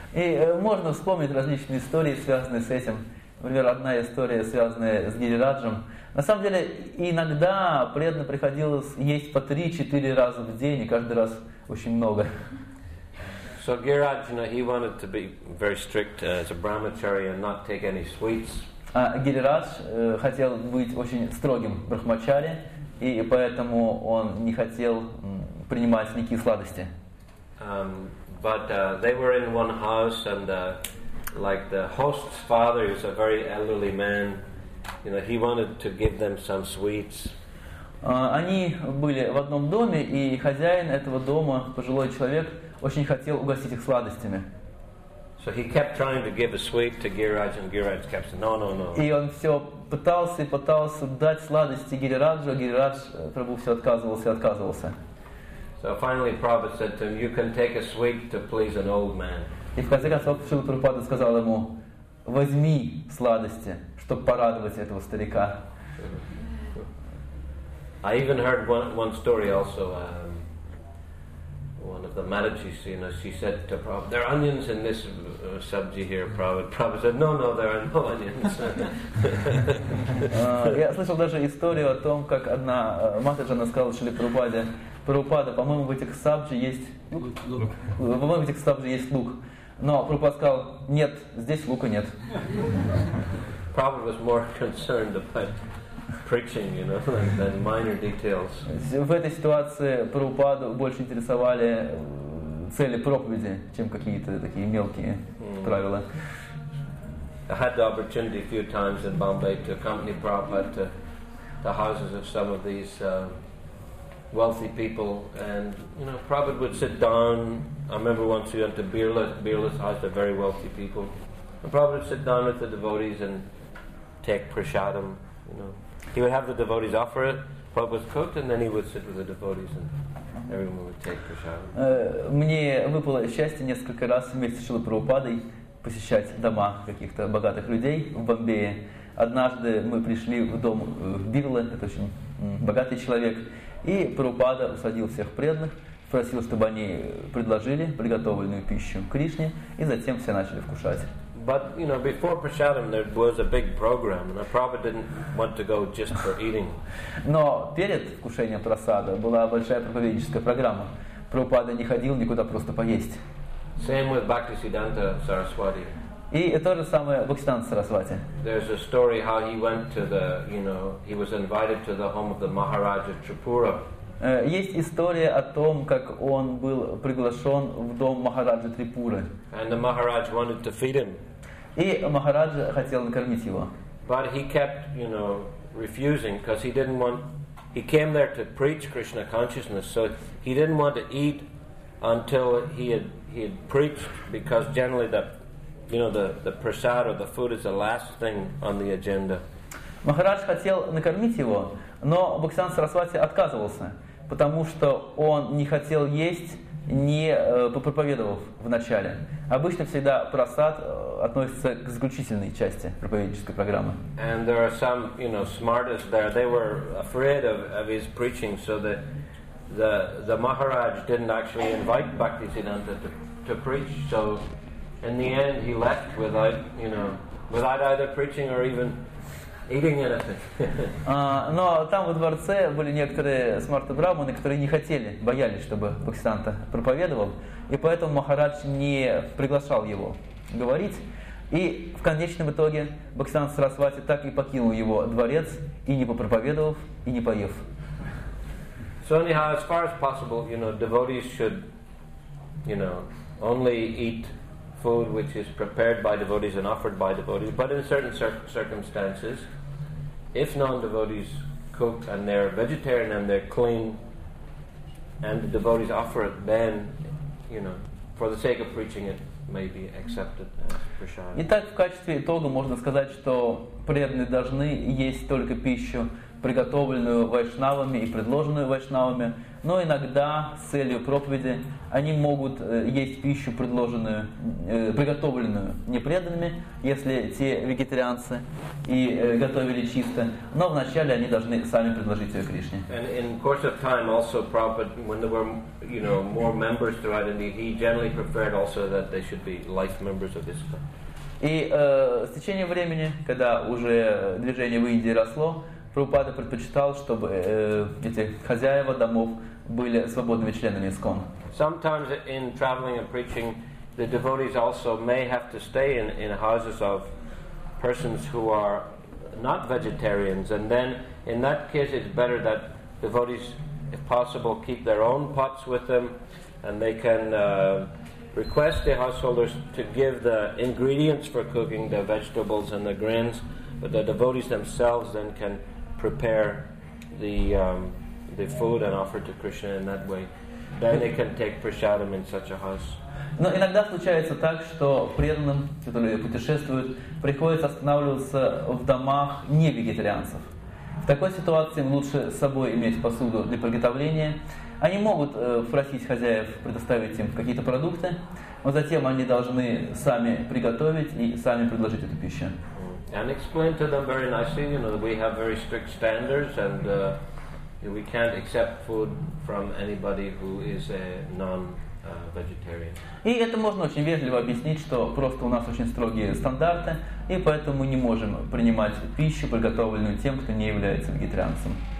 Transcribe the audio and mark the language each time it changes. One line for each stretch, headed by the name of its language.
Russian: И можно вспомнить различные истории, связанные с этим. Например, одна история, связанная с Гирираджем. На самом деле, иногда преданно приходилось есть по 3-4 раза в день, и каждый раз очень много.
English: So Giriraj, you know, he wanted to be very strict as a brahmachari and not take any sweets.
Russian: А Гирирадж хотел быть очень строгим брахмачари, и поэтому он не хотел принимать никакие сладости.
English: They were in one house, and like the host's father, who's a very elderly man, you know, he wanted to give them some sweets.
Russian: Они были в одном доме, и хозяин этого дома, пожилой человек, очень хотел угостить их сладостями.
English: So he kept trying to give a sweet to Giriraj, and Giriraj kept saying, no.
Russian: И он все пытался и пытался дать сладости Гирираджу, а Гирирадж Прабху все отказывался и отказывался.
English: So finally Prabhupada said to him, you can take a sweet to please an old man.
Russian: И в конце концов Шрила Прабхупада сказал ему, возьми сладости, чтобы порадовать этого старика.
English: I even heard one story also. One of the Madhujis, you know, she said to Prabhupada, there are onions in this sabji here, Prabhupada. Prabhupada said, no, there are no onions.
Russian: Я слышал даже историю о том, как одна Матаджа сказала Шрила Прабхупаде, Прабхупада, по-моему, в этих сабджи есть... Лук. По-моему, в этих сабджи есть лук. Но Прабхупада сказал, нет, здесь лука нет.
English: Prabhupada was more concerned about preaching, you know, than minor details.
Russian: В этой ситуации Прабхупаду больше интересовали цели проповеди, чем какие-то такие мелкие правила.
English: I had the opportunity a few times in Bombay to accompany Prabhupada to the houses of some of these wealthy people, and you know, Prabhupada would sit down. I remember once we went to Birla's house, they're very wealthy people. And Prabhupada would sit down with the devotees and take prasadam. You know, he would have the devotees offer it. Prabhupada's cooked, and then he would sit with the devotees, and everyone would take prasadam.
Russian: Мне выпало счастье несколько раз вместе с Шрилой Прабхупадой посещать дома каких-то богатых людей в Бомбее. Однажды мы пришли в дом Бирлы, это очень богатый человек. И Прабхупада усадил всех преданных, спросил, чтобы они предложили приготовленную пищу Кришне, и затем все начали вкушать.
English: But, you know, before prasadam there was a big program, and Prabhupada didn't want to go just for eating.
Russian: Но перед вкушением прасада была большая проповедническая программа. Прабхупада не ходил никуда просто поесть.
English: Same with Bhaktisiddhanta Saraswati.
Russian: И то же самое Бхактисиддханта Сарасвати.
English: There's a story how he went to the, you know, he was invited to the home of the Maharaja Tripura.
Russian: Есть история о том, как он был приглашен в дом Махараджа Трипуры.
English: And the Maharaj wanted to feed him.
Russian: И Махараджа хотел накормить его.
English: But he kept, you know, refusing, because he didn't want He came there to preach Krishna consciousness, so he didn't want to eat until he had preached, because generally the prasad or the food is the last thing on the agenda.
Russian: Maharaj хотел накормить его, но Бхактисиддханта Сарасвати отказывался, потому что он не хотел есть, не проповедовав в начале. Обычно всегда прасад относится к заключительной части проповеднической программы.
English: And there are some, you know, smartest there. They were afraid of his preaching, so that the Maharaj didn't actually invite Bhaktisiddhanta to preach. So in the end, he left without, you know, without either preaching or even eating anything.
Russian: Но там во дворце были некоторые смарты брахманы, которые не хотели, боялись, чтобы Бхактисиддханта проповедовал, и поэтому Махарадж не приглашал его говорить. И в конечном итоге Бхактисиддханта Сарасвати так и покинул его дворец, и не попроповедовав, и не поев.
English: So anyhow, as far as possible, you know, devotees should, you know, only eat food which is prepared by devotees and offered by devotees. But in certain circumstances, if non-devotees cook and they're vegetarian and they're clean, and the devotees offer it, then, you know, for the sake of preaching it, may be accepted as prasad.
Russian: Итак, в качестве итога можно сказать, что преданные должны есть только пищу, приготовленную вайшнавами и предложенную вайшнавами, но иногда с целью проповеди они могут есть пищу, приготовленную непреданными, если те вегетарианцы и готовили чисто, но вначале они должны сами предложить ее Кришне.
English: And in course of time also Prabhupada, when there were, you know, more members throughout India, he generally preferred also that they should be life members of ISKCON.
Russian: И с течением времени, когда уже движение в Индии росло, Прабхупада предпочитал, чтобы эти хозяева домов были свободными членами ISKCON.
English: Sometimes in traveling and preaching, the devotees also may have to stay in houses of persons who are not vegetarians, and then in that case it's better that devotees, if possible, keep their own pots with them, and they can request the householders to give the ingredients for cooking, the vegetables and the grains, but the devotees themselves then can prepare the food and offer to Krishna in that way. Then they can take prasadam in such a house.
Russian: Но иногда случается так, что преданным, которые путешествуют, приходится останавливаться в домах не вегетарианцев. В такой ситуации им лучше с собой иметь посуду для приготовления. Они могут просить хозяев предоставить им какие-то продукты, но затем они должны сами приготовить и сами предложить эту пищу.
English: And explain to them very nicely, you know, that we have very strict standards, and we can't accept food from anybody who is a non-vegetarian.
Russian: И это можно очень вежливо объяснить, что просто у нас очень строгие стандарты, и поэтому мы не можем принимать пищу, приготовленную тем, кто не является вегетарианцем.